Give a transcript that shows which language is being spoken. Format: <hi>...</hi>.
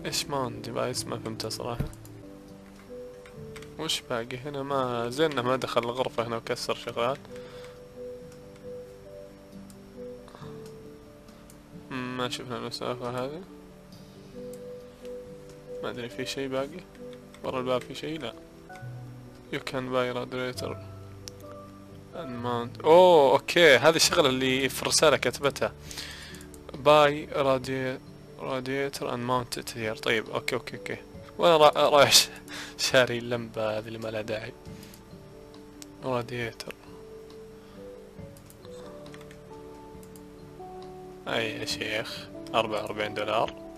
<ar>ايش ماونت ديفايس؟ ما فهمت صراحة. وش باقي هنا؟ ما زين ما دخل الغرفة هنا وكسر شغلات، ما شفنا المسافة هذه، ما ادري في شي باقي ورا الباب، في شي؟ لا.</ar> <en>you can buy radiator and mount.</en> <ar>اوه اوكي، هذه الشغلة اللي في الرسالة كتبتها، buy radiator and mount it here. طيب اوكي، وانا رايح شاري اللمبة هذي اللي ما لها داعي. رادياتر، اي يا شيخ، 44 دولار.</ar>